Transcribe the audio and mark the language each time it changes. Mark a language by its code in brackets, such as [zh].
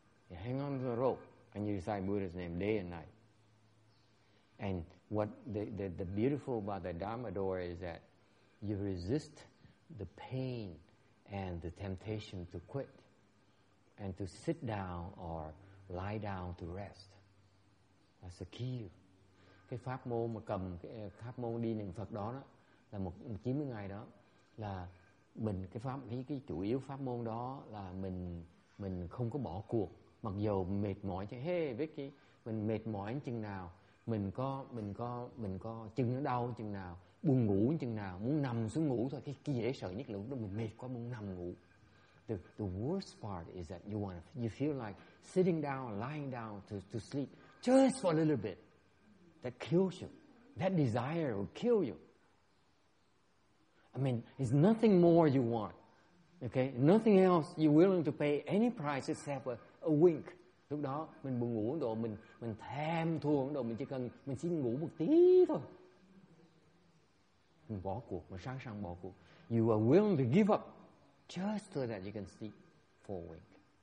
[en] You hang on to the rope and you recite Buddha's name day and night. And what the beautiful about the Dharma door is that you resist the pain and the temptation to quit and to sit down or lie down to rest. That's the key. [vi] Cái pháp môn mà cầm cái pháp môn đi niệm Phật đó đó là một 90 ngày đó là mình cái chủ yếu pháp môn đó là mình không có bỏ cuộc mặc dù mệt mỏi chứ hey Vicky mình mệt mỏi chừng nào mình có chân nó đau chừng nào, buồn ngủ chừng nào, muốn nằm xuống ngủ thôi, cái dễ sợ nhất là mình mệt quá muốn nằm ngủ. [en] The worst part is that you feel like sitting down, lying down to sleep just for a little bit. That kills you. That desire will kill you. I mean, it's nothing more you want. Okay? Nothing else you're willing to pay any price except a wink. [vi] Lúc đó mình buồn ngủ đồ mình thèm thuồng đồ mình chỉ cần mình xin ngủ một tí thôi mình bỏ cuộc mình sẵn sàng bỏ cuộc. [en] You are willing to give up just so that you can sleep for a week.